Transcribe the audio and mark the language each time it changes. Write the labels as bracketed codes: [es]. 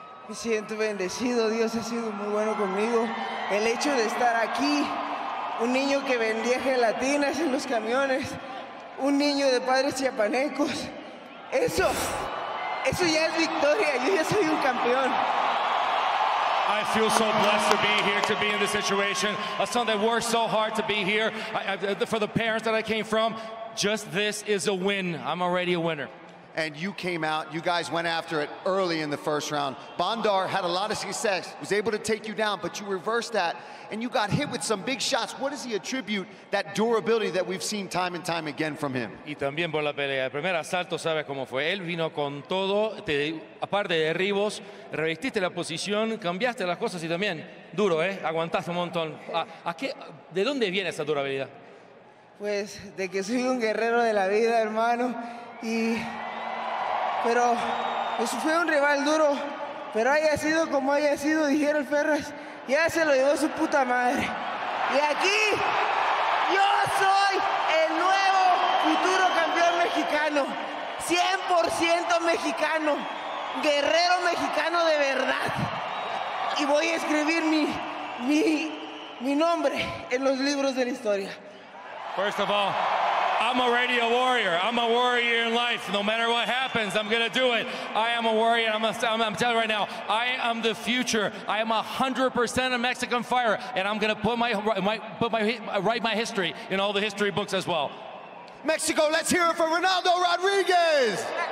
[es] Me siento bendecido, Dios ha sido muy bueno conmigo. El hecho de estar aquí, un niño que vendía gelatinas en los camiones, un niño de padres chiapanecos, eso ya es victoria, yo ya soy un campeón. [en] I feel so blessed to be here, to be in this situation. A son that worked so hard to be here. For the parents that I came from, just this is a win. I'm already a winner. And you came out. You guys went after it early in the first round. Bondar had a lot of success, was able to take you down, but you reversed that, and you got hit with some big shots. What does he attribute that durability that we've seen time and time again from him? [es] Y también por la pelea. El primer asalto, ¿sabes cómo fue? Él vino con todo. Aparte de derribos, revestiste la posición, cambiaste las cosas y también duro, ¿eh? Aguantaste un montón. ¿De dónde viene esa durabilidad? Pues de que soy un guerrero de la vida, hermano, y... Pero eso fue un rival duro, pero haya sido como haya sido, dijeron el Ferras, ya se lo llevó su puta madre. Y aquí yo soy el nuevo futuro campeón mexicano, 100% mexicano, guerrero mexicano de verdad. Y voy a escribir mi nombre en los libros de la historia. [en] First of all, I'm already a warrior. I'm a warrior in life. No matter what happens, I'm gonna do it. I am a warrior. I'm telling you right now, I am the future. I am 100% a Mexican fighter, and I'm gonna write my history in all the history books as well. Mexico, let's hear it for Ronaldo Rodriguez.